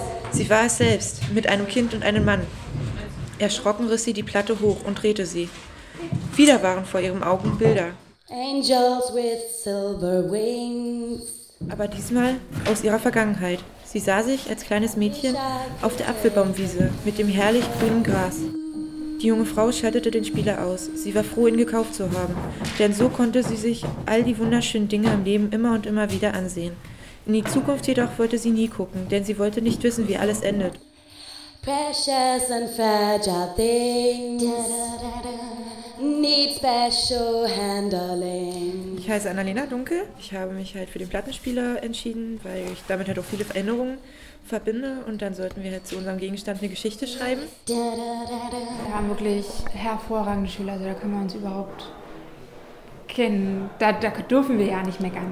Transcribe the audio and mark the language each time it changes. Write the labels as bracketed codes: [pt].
[de] Sie war es selbst, mit einem Kind und einem Mann. Erschrocken riss sie die Platte hoch und drehte sie. Wieder waren vor ihren Augen Bilder. [en] Angels with silver wings. [de] Aber diesmal aus ihrer Vergangenheit. Sie sah sich als kleines Mädchen auf der Apfelbaumwiese mit dem herrlich grünen Gras. Die junge Frau schaltete den Spieler aus. Sie war froh, ihn gekauft zu haben. Denn so konnte sie sich all die wunderschönen Dinge im Leben immer und immer wieder ansehen. In die Zukunft jedoch wollte sie nie gucken, denn sie wollte nicht wissen, wie alles endet. [en] Precious and fragile things need special handling. [de] Ich heiße Annalena Dunkel. Ich habe mich halt für den Plattenspieler entschieden, weil ich damit halt auch viele Veränderungen verbinde. Und dann sollten wir halt zu unserem Gegenstand eine Geschichte schreiben. Wir haben wirklich hervorragende Schüler. Also da können wir uns überhaupt kennen. Da dürfen wir ja nicht meckern.